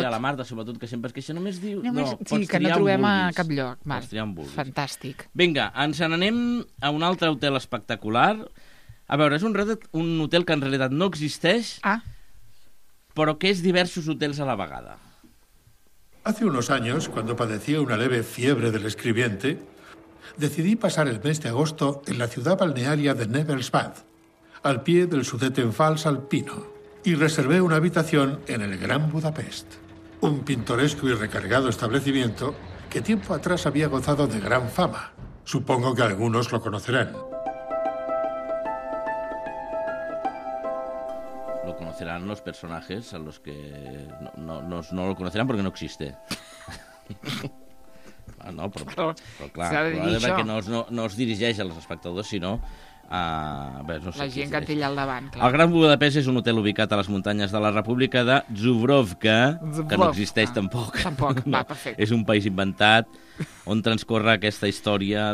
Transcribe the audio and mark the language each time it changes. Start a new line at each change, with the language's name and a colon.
Catalan: Triar la Marta, sobretot, que sempre es queixa, només diu... No, només... No, sí, que no trobem a cap lloc, Marc. Pots triar on vulguis. Fantàstic. Vinga, ens n'anem a un altre hotel espectacular. A veure, és un hotel que en realitat no existeix, però que és diversos hotels a la vegada.
Spanish: Hace unos años, cuando padecía una leve fiebre del escribiente, decidí pasar el mes de agosto en la ciudad balnearia de Nebelsbad, al pie del Sudetenfals alpino, y reservé una habitación en el Gran Budapest, un pintoresco y recargado establecimiento que tiempo atrás había gozado de gran fama. Supongo que algunos lo conocerán. Serán los personajes a los que no lo conocerán porque no existe.
Catalan: No, però clar, s'ha de dir això. Que no es dirigeix als espectadors, sinó a... Bé, no sé la gent que té allà al davant. Clar. El Gran Budapest és un hotel ubicat a les muntanyes de la República de Zubrovka, que no existeix tampoc. Tampoc, no. Va, perfecte. És un país inventat on transcorre aquesta història